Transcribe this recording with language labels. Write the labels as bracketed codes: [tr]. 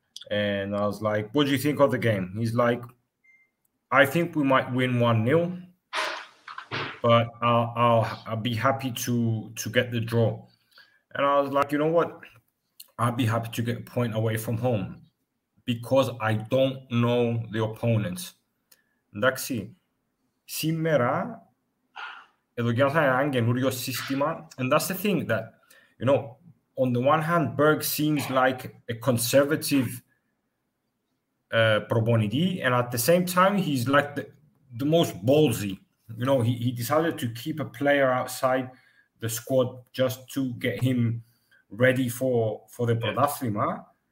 [en] And I was like, what do you think of the game? He's like, I think we might win 1-0, but I'll be happy to get the draw. And I was like, you know what? I'd be happy to get a point away from home because I don't know the opponents. [el] Εντάξει, σήμερα εδώ και θα είναι καινούριο σύστημα. [en] And that's the thing that, you know, on the one hand, Berg seems like a conservative proponiti, and at the same time he's like the most ballsy, you know. He decided to keep a player outside the squad just to get him ready for the Prodathlima.